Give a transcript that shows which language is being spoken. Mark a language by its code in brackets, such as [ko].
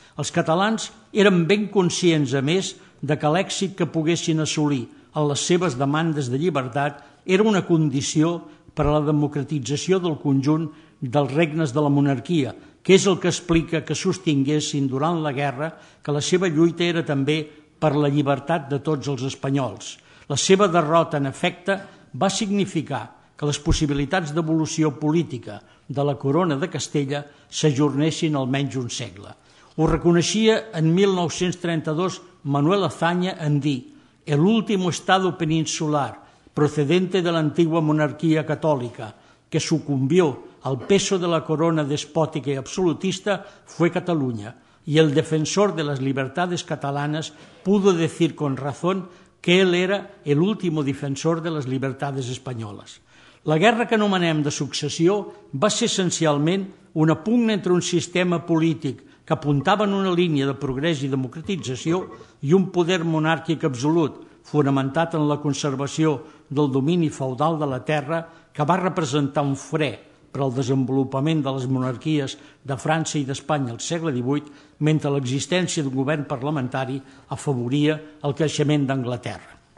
[ca] Els catalans eren ben conscients, a més, de que l'èxit que poguessin assolir en les seves demandes de llibertat era una condició per a la democratització del conjunt dels regnes de la monarquia, que és el que explica que sostinguessin durant la guerra que la seva lluita era també per la llibertat de tots els espanyols. La seva derrota, en efecte, va significar que les possibilitats d'evolució política de la corona de Castella s'ajornessin almenys un segle. Ho reconeixia en 1932 Manuel Azaña en dir [es] «el último estado peninsular procedente de l'antigua monarquia catòlica que sucumbió al peso de la corona despòtica i absolutista fue Catalunya, y el defensor de las libertades catalanas pudo decir con razón que él era el último defensor de las libertades españolas». [ca] La guerra que anomenem de successió va ser essencialment una pugna entre un sistema polític que apuntava en una línia de progrés i democratització i un poder monàrquic absolut, fonamentat en la conservació del domini feudal de la terra, que va representar un fre per al desenvolupament de les monarquies de França i d'Espanya al segle XVIII, mentre l'existència d'un govern parlamentari afavoria el creixement d'Anglaterra.